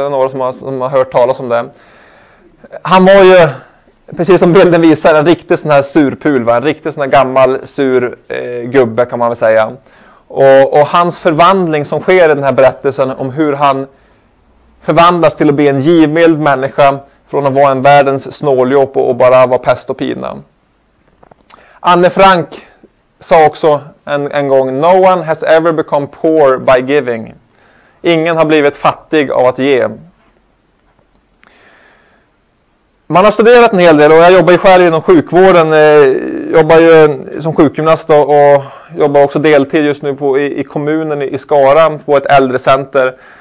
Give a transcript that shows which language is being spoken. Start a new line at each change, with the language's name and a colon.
Swedish: Det är några som har hört talas om det. Han var ju, precis som bilden visar, en riktig sån här surpul, en riktig sån här gammal sur gubbe kan man väl säga. Och hans förvandling som sker i den här berättelsen om hur han förvandlas till att bli en givmild människa från att vara en världens snåljåp och bara vara pest och pina.
English: Anne Frank
Swedish: sa också en gång,
English: no one has ever become poor by giving.
Swedish: Ingen har blivit fattig av att ge. Man har studerat en hel del och jag jobbar ju själv inom sjukvården. Jobbar ju som sjukgymnast och jobbar också deltid just nu i kommunen i Skara på ett äldrecenter.